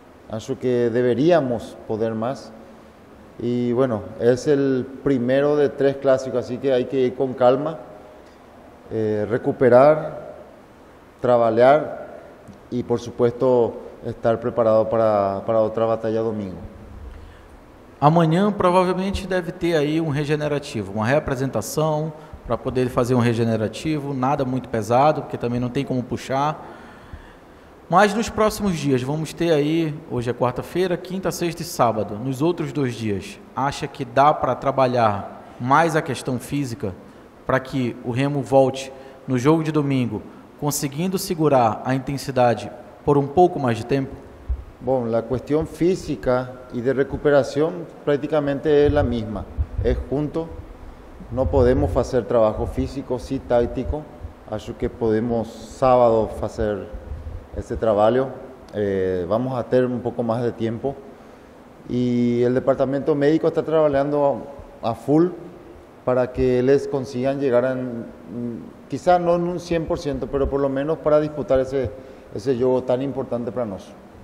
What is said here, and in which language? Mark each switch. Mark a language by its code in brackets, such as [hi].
[pt] Acho que deveríamos poder [es] más. Y bueno, es el primero de tres clásicos, así que hay que ir con calma, recuperar, trabajar y por supuesto estar preparado para otra batalla domingo. [pt] Amanhã provavelmente deve ter aí um regenerativo, uma reapresentação para poder fazer um regenerativo, nada muito pesado, porque também não tem como puxar. Mas nos próximos dias, vamos ter aí, hoje é quarta-feira, quinta, sexta e sábado, nos outros dois dias, acha que dá para trabalhar mais a questão física para que o Remo volte no jogo de domingo, conseguindo segurar a intensidade por um pouco mais de tempo? Bom, a questão física e de recuperação praticamente é a mesma. É junto, não podemos fazer trabalho físico, sim táctico, acho que podemos sábado fazer [es] ese trabajo, vamos a tener un poco más de tiempo y el departamento médico está trabajando a full para que les consigan llegar, quizás no en un 100%, pero por lo menos para disputar ese juego tan importante para nosotros.